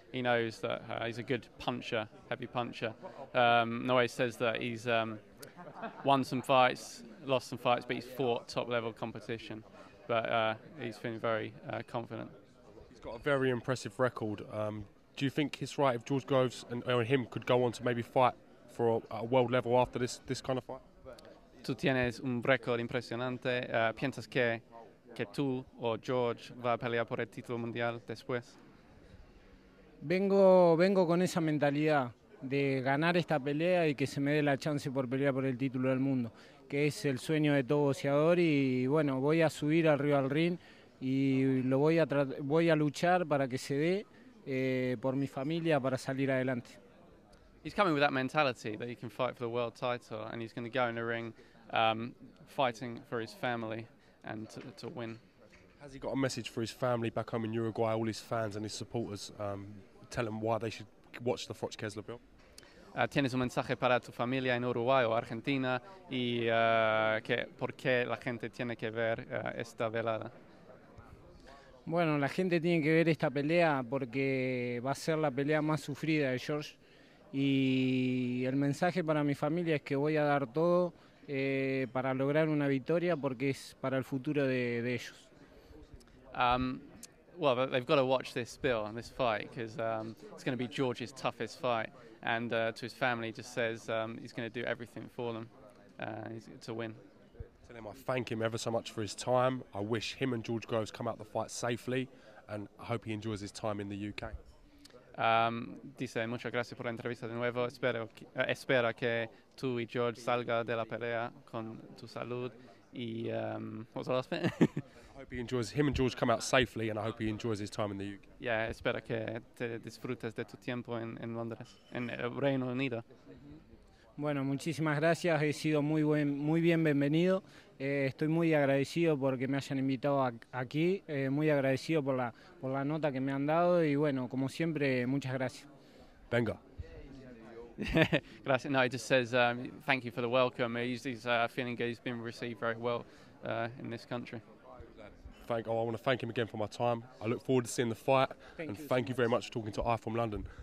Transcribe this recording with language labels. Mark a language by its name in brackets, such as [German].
[English] He knows that he's a good puncher, heavy puncher. Noé says that he's won some fights, lost some fights, but he's fought top level competition. But he's feeling very confident. Got a very impressive record. Do you think it's right if George Groves and him could go on to maybe fight for a world level after this kind of fight? [Spanish] Tú tienes un récord impresionante. ¿Piensas que tú o George va a pelear por el título mundial después? Vengo con esa mentalidad de ganar esta pelea y que se me dé la chance por pelear por el título del mundo, que es el sueño de todo boxeador. Y bueno, voy a subir al río al ring. Y lo voy a luchar para que se dé por mi familia para salir adelante. [English] He's coming with that mentality that he can fight for the world title and he's going to go in the ring fighting for his family and to win. Has he got a message for his family back home in Uruguay, all his fans and his supporters, tell them why they should watch the Froch Kessler bill? [Spanish] Tienes un mensaje para tu familia en Uruguay o Argentina y que por qué la gente tiene que ver esta velada. Bueno, la gente tiene que ver esta pelea porque va a ser la pelea más sufrida de George. Y el mensaje para mi familia es que voy a dar todo para lograr una victoria porque es para el futuro de ellos. [English] Well, they've got to watch this bill and this fight because it's going to be George's toughest fight. And to his family, just says he's going to do everything for them to win. Tell him I thank him ever so much for his time. I wish him and George Groves come out the fight safely, and I hope he enjoys his time in the UK. [Spanish] Dice muchas gracias por la entrevista de nuevo. Espera que tú y George salga de la pelea con tu salud. Y [English] what's the last bit? I hope he enjoys him and George come out safely, and I hope he enjoys his time in the UK. Yeah, [Spanish] espera que te disfrutes de tu tiempo en Londres, en Reino Unido. Bueno, muchísimas gracias. He sido muy bien bienvenido. Estoy muy agradecido porque me hayan invitado aquí. Muy agradecido por la nota que me han dado y bueno, como siempre, muchas gracias. Venga. Gracias. [English] No, he just says thank you for the welcome. He's feeling good. He's been received very well in this country. I want to thank him again for my time. I look forward to seeing the fight. Thank you very much for talking to I From London.